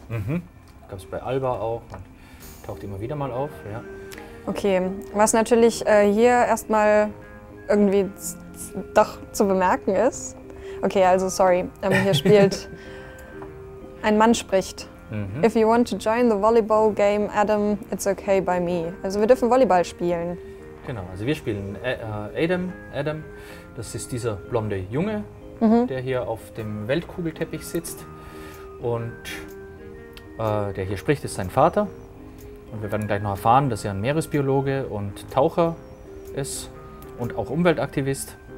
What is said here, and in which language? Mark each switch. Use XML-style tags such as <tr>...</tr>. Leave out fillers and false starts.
<de>Mhm. Gab es bei Alba auch. Man taucht immer wieder mal auf, ja. Okay, was natürlich hier erstmal irgendwie doch zu bemerken ist. Okay, also sorry. Hier spielt ein Mann spricht. Mhm.</de> <en>If you want to join the volleyball game, Adam, it's okay by me.</en> <de>Also wir dürfen Volleyball spielen. Genau, also wir spielen Adam. Das ist dieser blonde Junge, der hier auf dem Weltkugelteppich sitzt und der hier spricht, ist sein Vater. Und wir werden gleich noch erfahren, dass er ein Meeresbiologe und Taucher ist und auch Umweltaktivist.</de>